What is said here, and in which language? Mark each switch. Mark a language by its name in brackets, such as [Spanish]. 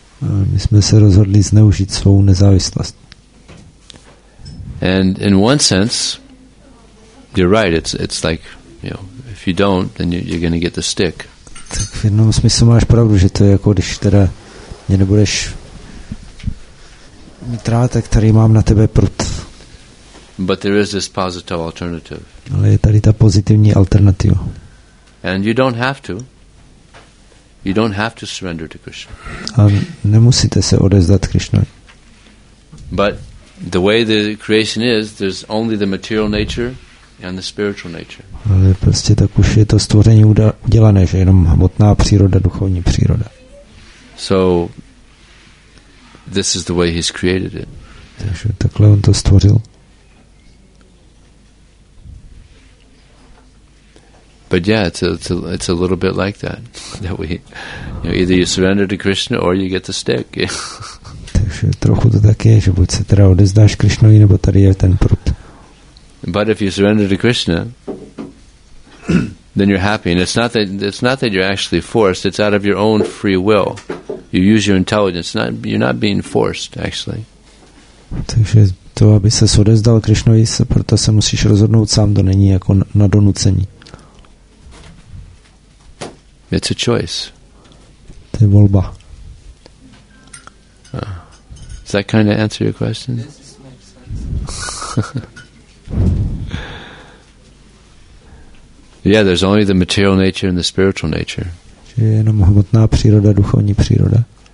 [Czech] My jsme se rozhodli zneužít svou nezávislost. [English] And in one sense, you're right. It's like, you know, if you don't, then you're going to get the stick. [Czech] Tak v jednom smyslu máš pravdu, že to je jako, když teda mě nebudeš mít rád, tak tady mám na tebe prut. [English] But there is this positive alternative. [Czech] Ale je tady ta pozitivní alternativa. [English] And you don't have to. You don't have to surrender to Krishna. [Czech] A nemusíte se odevzdat Krishnovi. [English] But the way the creation is, there's only the material nature and the spiritual nature. [Czech] Ale prostě tak už je to stvoření udělané, že jenom hmotná příroda, duchovní příroda. [English] So this is the way he's created it. [Czech] Takže takhle on to stvořil. [English] But yeah, it's a little bit like that we, you know, either you surrender to Krishna or you get the stick. [Czech] Takže trochu to tak je, že buď se teda odezdáš Krishnovi, nebo tady je ten prut. [English] But if you surrender to Krishna, then you're happy. And it's not that you're actually forced. It's out of your own free will. You use your intelligence. You're not being forced, actually. [Czech] Takže to, aby se odezdal Krishnovi, proto se musíš rozhodnout sám. To není jako na donucení. [English] It's a choice. [Czech] To je volba. [English] Does that kind of answer your question? Yes, makes sense. Yeah, there's only the material nature and the spiritual nature. [Czech] Je jenom hmotná příroda, duchovní příroda.